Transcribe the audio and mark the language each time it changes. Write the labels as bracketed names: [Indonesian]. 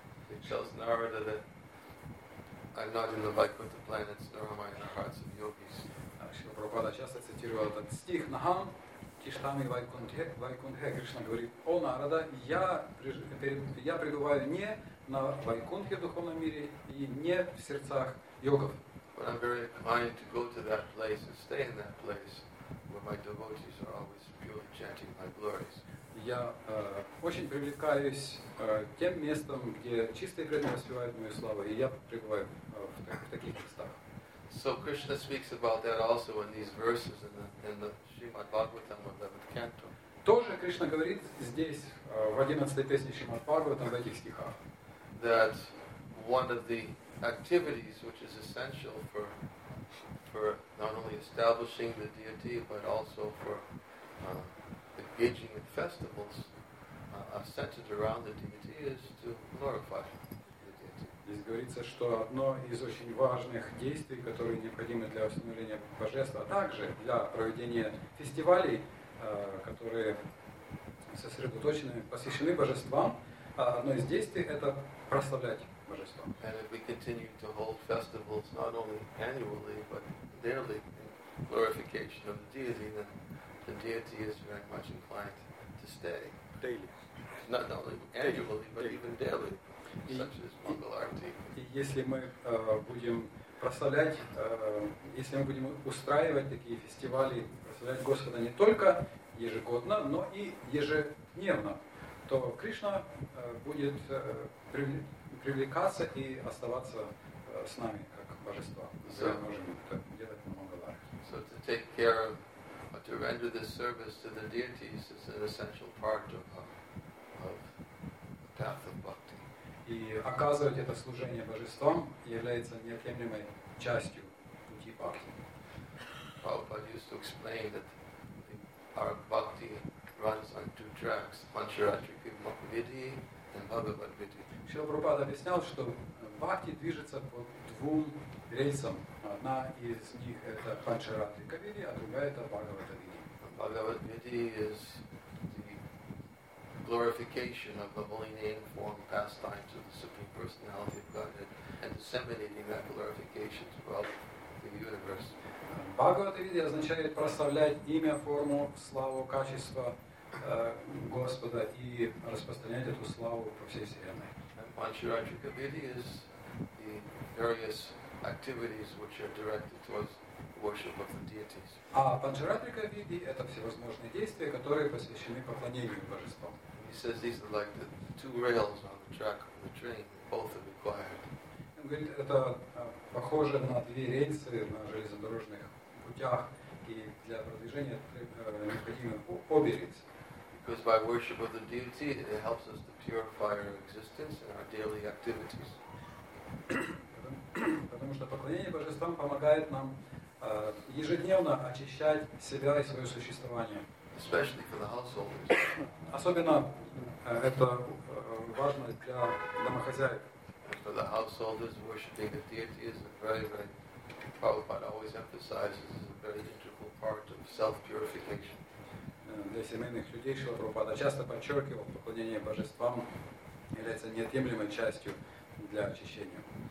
[English] It tells Narada that I'm not in the Vaikuntha planets, nor am I in the hearts of yogis. [Russian] Шрила Прабхупада часто цитировал этот стих «Нахам тиштами вайкунтхе». Кришна говорит: «О Нарада, я пребываю не на Вайкунтхе в духовном мире и не в сердцах йогов». [English] But I'm very inclined to go to that place and stay in that place where my devotees are always purely chanting my glories. [Russian] Я очень привлекаюсь тем местом, где чистые преданные воспевают мою славу, и я пребываю в таких местах. [English] So Krishna speaks about that also in these verses in the Srimad Bhagavatam 11th canto. [Russian] Тоже Кришна говорит здесь, в 11-й песне Шримад-Бхагаватам, в этих стихах. [English] That one of the activities which is essential for not only establishing the deity, but also for engaging in festivals centered around the deity is to glorify the deity. [Russian] Здесь говорится, что одно из очень важных действий, которые необходимы для установления божества, а также для проведения фестивалей, которые сосредоточены, посвящены божествам, одно из действий — это прославлять божество. [English] And if we continue to hold festivals not only annually, but daily, in glorification of the deity, then the deity is very much inclined to stay. Daily. Not only annually, but daily. Even daily, such as Mangalarti. [Russian] Если мы будем прославлять, если мы будем устраивать такие фестивали, прославлять Господа не только ежегодно, но и ежедневно, то Кришна будет привлекаться и оставаться с нами как божество. [English] So, [Russian] мы можем это делать намного лучше. [English] So to take care of, or to render this service to the deities is an essential part of the path of bhakti. [Russian] И оказывать это служение божествам является неотъемлемой частью пути бхакти. [English] Prabhupada used to explain that our bhakti runs on two tracks, Pancharatrika Vidhi and Bhagavad Vidhi. [Russian] Шрила Прабхупада объяснял, что бхакти движется по двум рельсам. Одна из них — это Pancharatrika Vidhi, а другая — это Bhagavad Vidhi. [English] Bhagavad Vidhi is the glorification of the holy name, form, pastimes of the Supreme Personality of Godhead and disseminating that glorification throughout the universe. [Russian] Бхагавад-вида означает прославлять имя, форму, славу, качество Господа и распространять эту славу по всей Вселенной. Панчарачика-вида [English] is the various activities which are directed towards worship of the deities. [Russian] А панчарачика-вида — это всевозможные действия, которые посвящены поклонению божествам. [English] He says these are like the two rails on the track of the train, both are required. [Russian] Он говорит, это похоже на две рельсы на железнодорожных путях, и для продвижения необходимы обе рельсы. [English] Because by worship of the deity, it helps us to purify our existence and our daily activities. [Russian] Потому что поклонение божествам помогает нам ежедневно очищать себя и свое существование. [English] Especially for the householders. [Russian] Особенно это важно для домохозяев. [English] For the householders, worshiping the deity is a very, very, Prabhupada always emphasizes, is a very integral part of self-purification. [Russian] Для семейных людей Шрила Прабхупада часто подчеркивал, поклонение божествам является неотъемлемой частью для очищения.